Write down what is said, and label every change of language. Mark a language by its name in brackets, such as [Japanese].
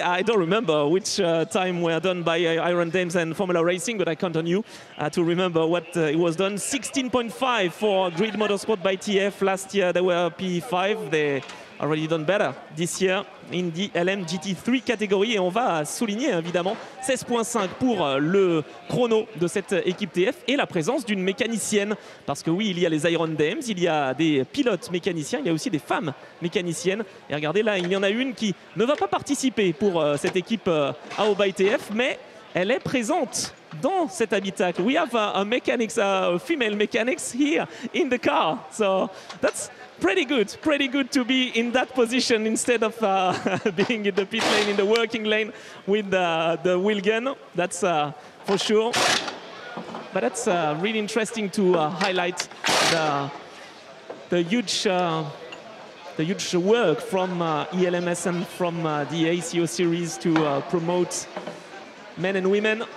[English] I don't remember which time were done by Iron Dames and Formula Racing, but I count on you to remember what it was done. 16.5 for Grid Motorsport by TF. Last year they were P5, they already done better this year in the LMGT3 category. [French] Et on va souligner évidemment 16.5 pour le chrono de cette équipe TF et la présence d'une mécanicienne. Parce que oui, il y a les Iron Dames, il y a des pilotes mécaniciens, il y a aussi des femmes mécaniciennes. Et regardez là, il y en a une qui ne va pas participer pour cette équipe AO by TF, mais elle est présente dans cet habitacle. [English] We have a female mechanics here in the car. So that's pretty good to be in that position instead of being in the pit lane, in the working lane with the wheel gun. That's for sure. But that's really interesting to highlight the huge work from ELMS and from the ACO series to promote men and women.